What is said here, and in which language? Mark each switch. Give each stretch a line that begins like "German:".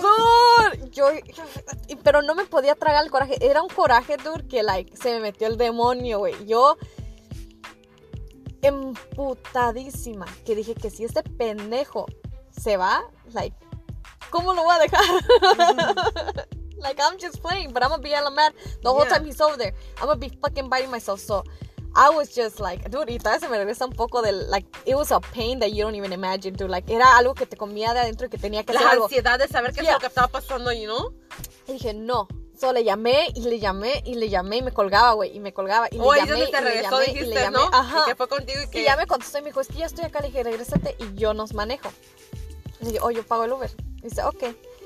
Spanish: ¡Dur! Pero no me podía tragar el coraje. Era un coraje, dur, que, like, se me metió el demonio, güey. Yo, emputadísima, que dije que si este pendejo se va, like, ¿cómo lo voy a dejar?
English: Like, I'm just playing, but I'm gonna be on the mat the whole time he's over there. I'm gonna be fucking biting myself. So I was just like, dude,
Spanish: y todavía se me regresa un poco del,
English: like, it was a pain that you don't even imagine, dude.
Spanish: Like, era algo que te comía de adentro y que tenía que la hacer algo. La ansiedad de saber qué es lo que estaba pasando,
English: you know?
Spanish: Y dije, no. So le llamé y le llamé y le llamé y me colgaba, güey, y me colgaba y le llamé y le llamé y le llamé. Ajá. Y que fue contigo y que... Y ya me contestó y me dijo, es que ya estoy acá. Le dije, regrésate y yo nos manejo. Le dije, oh, yo pago el Uber. Y dice, ok.